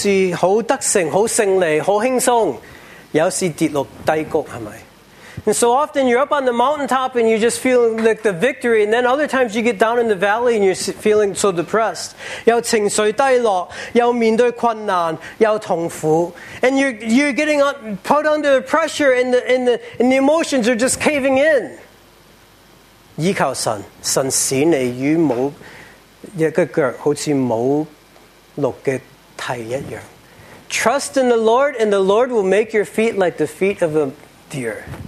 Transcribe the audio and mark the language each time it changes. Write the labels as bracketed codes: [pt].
[zh] 有时我们会好像很得胜,很胜利,很轻松, 有时跌落低谷, 是不是? [en] And so often you're up on the mountaintop and you're just feeling like the victory, and then other times you get down in the valley and you're feeling so depressed. [zh] 又情绪低落,又面对困难,又痛苦. [en] And you're getting put under pressure and the emotions are just caving in. [zh] 依靠神,神使你与某一个脚好像某六的蹄一样. [en] Trust in the Lord and the Lord will make your feet like the feet of a deer.